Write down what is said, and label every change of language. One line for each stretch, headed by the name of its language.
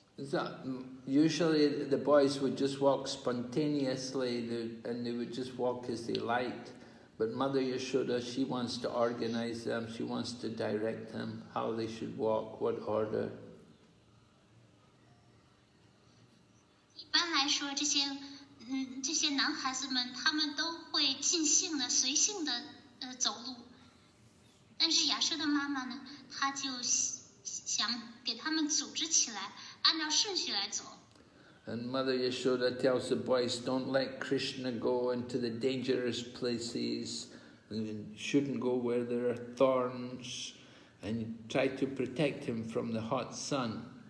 English: So, usually the boys would just walk spontaneously and they would just walk as they liked. But Mother Yashoda, she wants to organize them, she wants to direct them, how they should walk, what order.
Chinese: 一般来说这些男孩子们他们都会尽兴的随性的走路，但是亚瑟的妈妈呢，她就想给他们组织起来。
English: And Mother Yashoda tells the boys, don't let Krishna go into the dangerous places, and shouldn't go where there are thorns, and try to protect him from the hot sun.